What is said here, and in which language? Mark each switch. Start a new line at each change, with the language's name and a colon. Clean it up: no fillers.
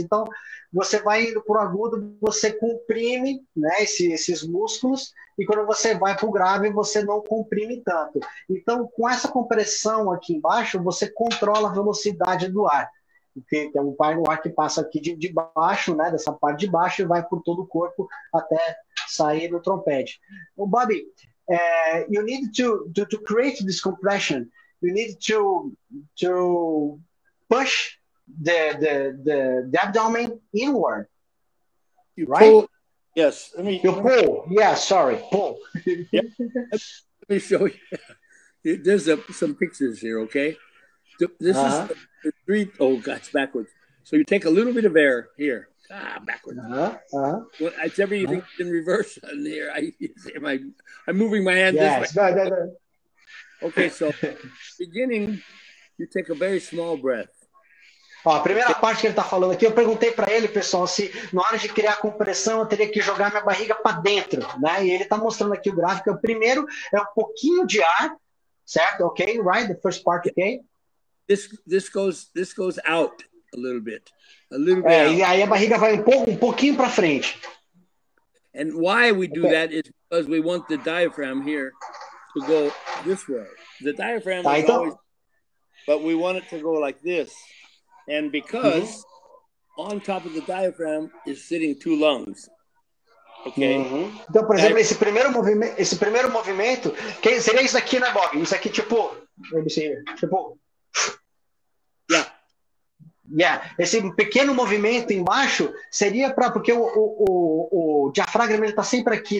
Portuguese: Então, você vai indo para o agudo, você comprime, né, esses músculos, e quando você vai para o grave, você não comprime tanto. Então, com essa compressão aqui embaixo, você controla a velocidade do ar. Tem um ar que passa aqui de baixo, né, dessa parte de baixo, e vai por todo o corpo até sair no trompete.
English: O Bobby, you need to create this compression. You need to push the abdomen inward. You right? Pull. Yes. You pull. Yeah. Sorry. Pull. Yep. Let me show you. There's some pictures here. Okay. This uh-huh. is the three. Oh God, it's backwards. So you take a little bit of air here. Ah, backwards. Uh-huh. Well, it's everything uh-huh. in reverse on here. I'm moving my hand yes. this way. No. Okay, so beginning, you take a very small breath.
Portuguese: Ó, a primeira parte que ele tá falando aqui, eu perguntei para ele, pessoal, se na hora de criar a compressão eu teria que jogar minha barriga para dentro, né? E ele tá mostrando aqui o gráfico. O primeiro é um pouquinho de ar, certo?
English: Okay, right? The first part, okay? This goes out a little bit. A little bit.
Portuguese: E aí a barriga vai um pouquinho para frente.
English: And why we do okay. that is because we want the diaphragm here to go this way. The diaphragm is always, but we want it to go like this. And because mm-hmm. on top of the diaphragm is sitting two lungs. Okay. Mm-hmm.
Portuguese: Então, por exemplo, esse primeiro movimento, que seria isso aqui, né, Bob? Isso aqui tipo, vamos ver, tipo.
English: Yeah.
Portuguese: Yeah, esse pequeno movimento embaixo seria para porque o diafragma ele está sempre aqui.